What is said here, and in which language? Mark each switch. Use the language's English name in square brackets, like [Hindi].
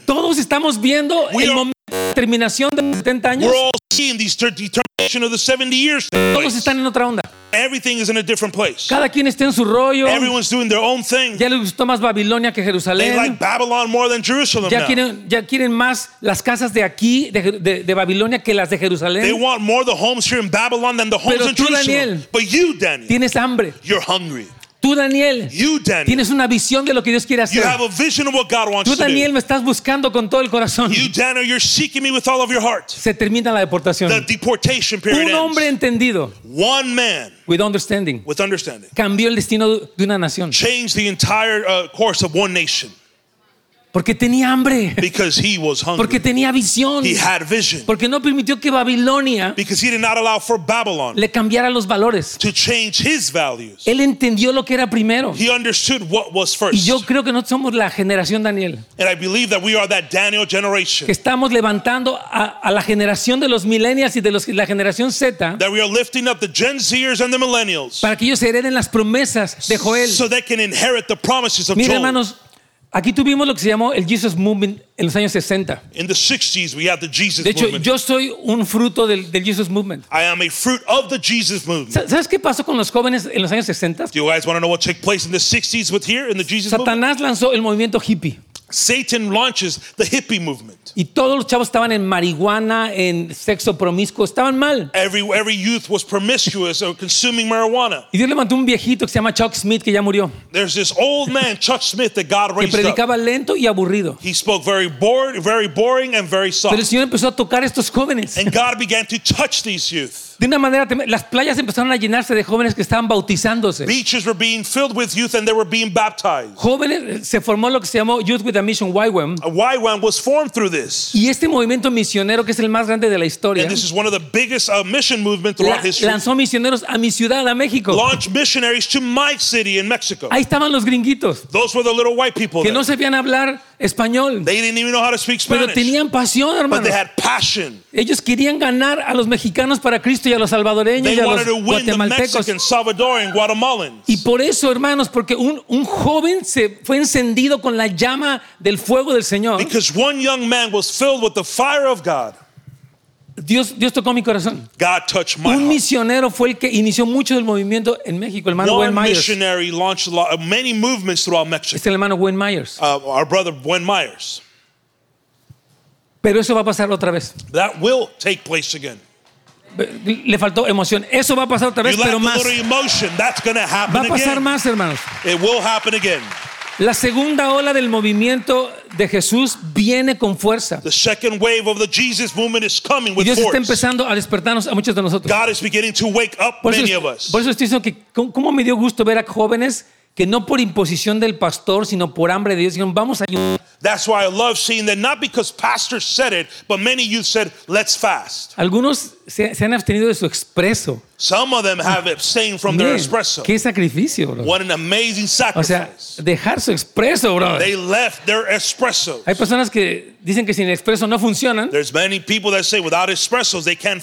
[Spanish] Todos estamos viendo el momento de terminación de 70 años. [English] We're all seeing the determination of the 70 years. [Spanish] Todos están en otra onda. [English] Everything is in a different place. [Spanish] Cada quien está en su rollo. [English] Everyone's doing their own thing. [Spanish] Ya les gustó más Babilonia que Jerusalén. [English] They like Babylon more than Jerusalem. [Spanish] Ya quieren más las casas de aquí de Babilonia que las de Jerusalén. [English] They want more the homes here in Babylon than the homes [Spanish] pero [English] in Jerusalem. [Spanish] Daniel, [English] but you, Daniel, [Spanish] tienes hambre. [English] You're hungry. [Spanish] Tú, Daniel, [English] you, Daniel, [Spanish] tienes una visión de lo que Dios quiere hacer. [English] You have a vision of what God wants [Spanish] tú, Daniel, me estás buscando con todo el corazón. [English] You, Daniel, you're seeking me with all of your heart. [Spanish] Se termina la deportación. [English] The deportation period [Spanish] un hombre [English] ends. [Spanish] Entendido. [English] One man with understanding. With understanding. [Spanish] Cambió el destino de una nación. [English] Changed the entire course of one nation. [Spanish] Porque tenía hambre. [English] Because he was hungry. [Spanish] Porque tenía visión. [English] He had vision. [Spanish] Porque no permitió que Babilonia. [English] Because he did not allow for Babylon. [Spanish] Le cambiara los valores. [English] To change his values. [Spanish] Él entendió lo que era primero. [English] He understood what was first. [Spanish] Y yo creo que nosotros somos la generación Daniel. [English] And I believe that we are that Daniel generation. [Spanish] Que estamos levantando a la generación de los millennials y de los la generación Z. [English] That we are lifting up the Gen Zers and the millennials. [Spanish] Para que ellos hereden las promesas de Joel. [English] So they can inherit the promises of [Spanish] Mira, hermanos, aquí tuvimos lo que se llamó el Jesus Movement en los años 60. [English] In the 60s we had the Jesus [Spanish] De hecho, [English] movement. [Spanish] Yo soy un fruto del Jesus Movement. [English] I am a fruit of the Jesus Movement. [Spanish] ¿Sabes qué pasó con los jóvenes en los años 60? [English] Do you guys want to know what took place in the 60s with here in the Jesus [Spanish] Satanás [English] Movement? [Spanish] Satanás lanzó el movimiento hippie. [English] Satan launches the hippie movement. [Spanish] Y todos los chavos estaban en marihuana, en sexo promiscuo, estaban mal. [English] Every youth was promiscuous or consuming marijuana. [Spanish] Y Dios le mandó un viejito que se llama Chuck Smith que ya murió. [English] There's this old man, Chuck Smith, that God raised up. [Spanish] Que predicaba lento y aburrido. [English] He spoke very bored, very boring, and very soft. [Spanish] Pero el Señor empezó a tocar a estos jóvenes. [English] And God began to touch these youth. [Spanish] De una manera, las playas empezaron a llenarse de jóvenes que estaban bautizándose. [English] Beaches were being filled with youth and they were being baptized. [Spanish] Jóvenes, se formó lo que se llamó Youth with a Mission, YWAM. [English] YWAM was formed through this. [Spanish] Y este movimiento misionero, que es el más grande de la historia, [English] and this is one of the biggest mission movements throughout history. [Spanish] Lanzó misioneros a mi ciudad, a México. [English] Launched missionaries to my city in Mexico. [Spanish] Ahí estaban los gringuitos. [English] Those were the little white people. [Spanish] Que [English] there. [Spanish] No sabían hablar español. [English] They didn't even know how to speak Spanish. [Spanish] Pero tenían pasión, hermano. [English] But they had passion. [Spanish] Ellos querían ganar a los mexicanos para Cristo y a los salvadoreños [English] they [Spanish] y a los guatemaltecos. [English] Mexican, Salvadorian, Guatemalans. [Spanish] Y por eso, hermanos, porque un joven se fue encendido con la llama del fuego del Señor. [English] Because one young man was filled with the fire of God. [Spanish] Dios tocó mi corazón. [English] God touched my heart. [Spanish] Un misionero fue el que inició mucho del movimiento en México, hermano Wayne Myers. [English] One missionary launched many movements throughout Mexico. [Spanish] Es el hermano Wayne Myers. [English] Our brother Wayne Myers. [Spanish] Pero eso va a pasar otra vez. [English] That will take place again. [Spanish] Le faltó emoción. Eso va a pasar otra vez, pero más. [English] You lack emotion. That's going to happen again. [Spanish] Va a pasar [English] again. [Spanish] Más, hermanos. [English] It will happen again. [Spanish] La segunda ola del movimiento de Jesús viene con fuerza. [English] The second wave of the Jesus movement is coming with [Spanish] Dios [English] force. [Spanish] Dios está empezando a despertarnos a muchos de nosotros. [English] God is beginning to wake up many of us. [Spanish] Por eso estoy diciendo que cómo me dio gusto ver a jóvenes que no por imposición del pastor, sino por hambre de Dios, dijeron, vamos a ayunar. [English] That's why I love seeing that not because pastor said it, but many youth said, let's fast. [Spanish] Algunos se han abstenido de su expreso. [English] Some of them have abstained from their espresso. [Spanish] Qué sacrificio, bro. [English] What an amazing sacrifice. [Spanish] O sea, dejar su expreso, bro. [English] They left their espresso. [Spanish] Hay personas que dicen que sin expreso no funcionan. [English] There's many people that say without espressos they can't